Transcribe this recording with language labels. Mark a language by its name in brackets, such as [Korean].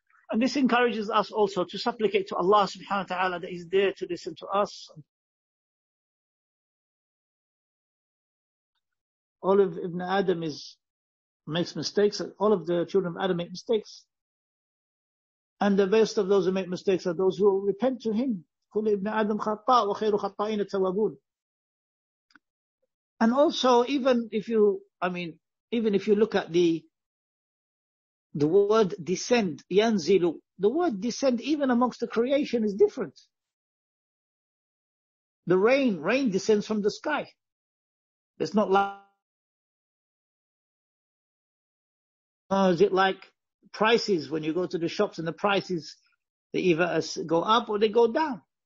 [English] And this encourages us also to supplicate to Allah subhanahu wa ta'ala that He's there to listen to us. All of Ibn Adam makes mistakes. All of the children of Adam make mistakes. And the best of those who make mistakes are those who repent to Him. [Arabic] كل ابن آدم خطاء وخير خطائين التوابون. [English] And also, even if you look at the word descend, ينزلوا, the word descend even amongst the creation is different. The rain descends from the sky. It's not like, is it like prices when you go to the shops and the prices, they either go up or they go down.